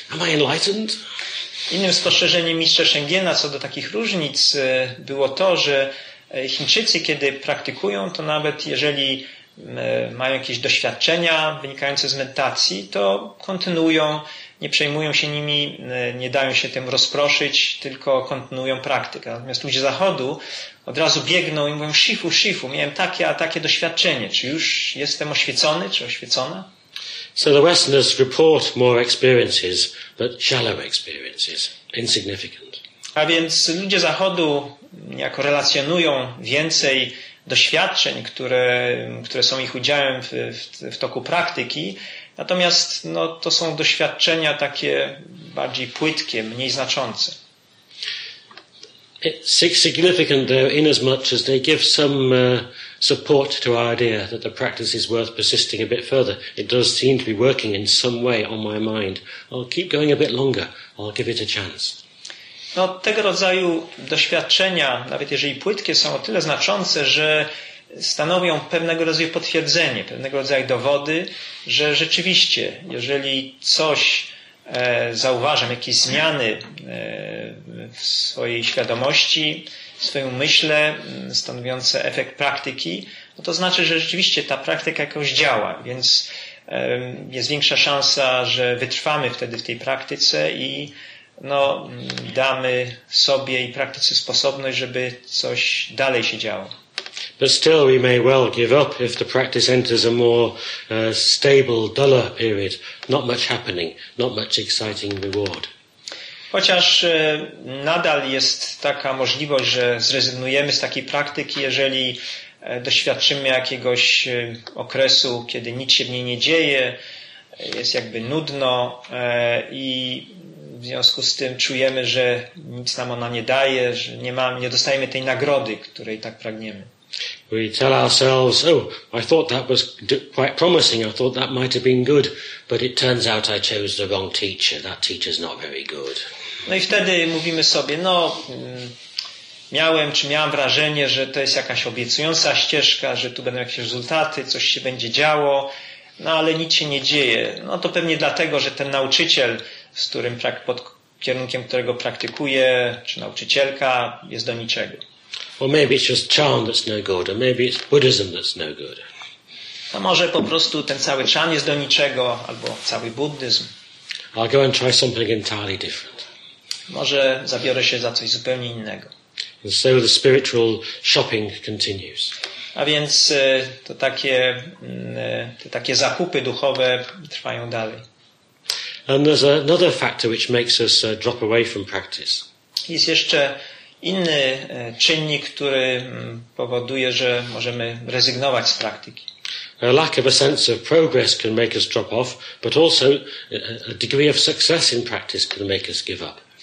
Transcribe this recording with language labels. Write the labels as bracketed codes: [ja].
[en] Am I enlightened? [pl] Innym spostrzeżeniem mistrza Shengena co do takich różnic było to, że Chińczycy, kiedy praktykują, to nawet jeżeli mają jakieś doświadczenia wynikające z medytacji, to kontynuują, nie przejmują się nimi, nie dają się tym rozproszyć, tylko kontynuują praktykę. Natomiast ludzie Zachodu od razu biegną i mówią, Shifu, miałem takie a takie doświadczenie. Czy już jestem oświecony, czy oświecona? [en] So the Westerners report more experiences, but shallow experiences, insignificant. [pl] A więc ludzie Zachodu jako relacjonują więcej doświadczeń, które są ich udziałem w toku praktyki, natomiast no, to są doświadczenia takie bardziej płytkie, mniej znaczące. [en] It's significant though, in as much as they give some support to our idea that the practice is worth persisting a bit further. It does seem to be working in some way on my mind. I'll keep going a bit longer. I'll give it a chance. [pl] No, tego rodzaju doświadczenia, nawet jeżeli płytkie, są o tyle znaczące, że stanowią pewnego rodzaju potwierdzenie, pewnego rodzaju dowody, że rzeczywiście, jeżeli coś zauważam, jakieś zmiany w swojej świadomości, w swoim myśle, stanowiące efekt praktyki, no to znaczy, że rzeczywiście ta praktyka jakoś działa, więc jest większa szansa, że wytrwamy wtedy w tej praktyce i no, damy sobie i praktyce sposobność, żeby coś dalej się działo. [en] But still we may well give up if the practice enters a more stable, duller period. Not much happening, not much exciting reward. [pl] Chociaż nadal jest taka możliwość, że zrezygnujemy z takiej praktyki, jeżeli doświadczymy jakiegoś okresu, kiedy nic się w niej nie dzieje, jest jakby nudno i w związku z tym czujemy, że nic nam ona nie daje, że nie dostajemy tej nagrody, której tak pragniemy. [en] We tell ourselves, oh, I thought that was quite promising, I thought that might have been good, but it turns out I chose the wrong teacher, that teacher's not very good. [pl] No i wtedy mówimy sobie, no miałem wrażenie, że to jest jakaś obiecująca ścieżka, że tu będą jakieś rezultaty, coś się będzie działo, no ale nic się nie dzieje. No to pewnie dlatego, że ten nauczyciel, z którym pod kierunkiem którego praktykuje, czy nauczycielka, jest do niczego. [en] Or maybe it's just chan that's no good, or maybe it's Buddhism that's no good. [pl] A może po prostu ten cały chan jest do niczego, albo cały buddyzm. [en] I'll go and try something entirely different. [pl] Może zabiorę się za coś zupełnie innego. [en] And so the spiritual shopping continues. [pl] A więc to takie, te takie zakupy duchowe trwają dalej. [en] And there's another factor which makes us drop away from practice. [pl] Jest jeszcze inny czynnik, który powoduje, że możemy rezygnować z praktyki. [en] A lack of a sense of progress can make us drop off, but also a degree of success in practice can make us give up.